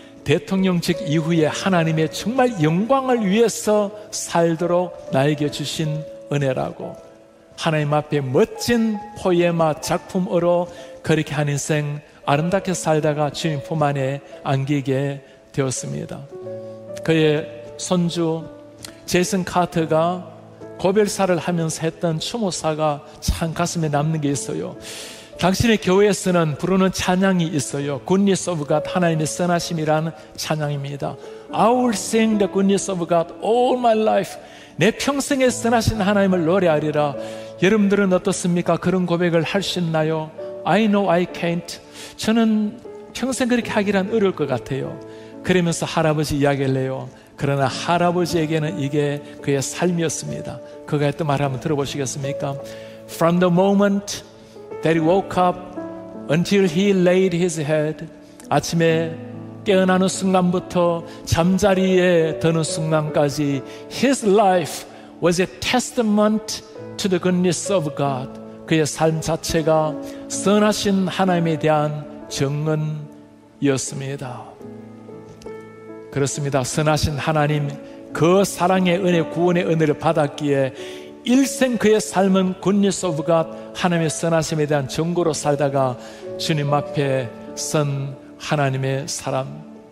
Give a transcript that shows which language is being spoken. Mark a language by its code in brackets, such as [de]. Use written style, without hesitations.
[ko] 대통령직 이후에 하나님의 정말 영광을 위해서 살도록 나에게 주신 은혜라고, 하나님 앞에 멋진 포에마 작품으로 그렇게 한 인생 아름답게 살다가 주님 품 안에 안기게 되었습니다. 그의 손주 제이슨 카터가 고별사를 하면서 했던 추모사가 참 가슴에 남는 게 있어요. 당신의 교회에서는 부르는 찬양이 있어요. Goodness of God, 하나님의 선하심이라는 찬양입니다. [en] I will sing the goodness of God all my life. [ko] 내 평생에 선하신 하나님을 노래하리라. 여러분들은 어떻습니까? 그런 고백을 할 수 있나요? [en] I know I can't. [ko] 저는 평생 그렇게 하기란 어려울 것 같아요. 그러면서 할아버지 이야기를 해요. 그러나 할아버지에게는 이게 그의 삶이었습니다. 그가 했던 말 한번 들어보시겠습니까? [en] From the moment that he woke up until he laid his head, [ko] 아침에 깨어나는 순간부터 잠자리에 드는 순간까지 [en] his life was a testament to the goodness of God. [ko] 그의 삶 자체가 선하신 하나님에 대한 증언이었습니다. 그렇습니다. 선하신 하나님 그 사랑의 은혜, 구원의 은혜를 받았기에 일생 그의 삶은 goodness of God, 하나님의 선하심에 대한 증거로 살다가 주님 앞에 선 하나님의 사람.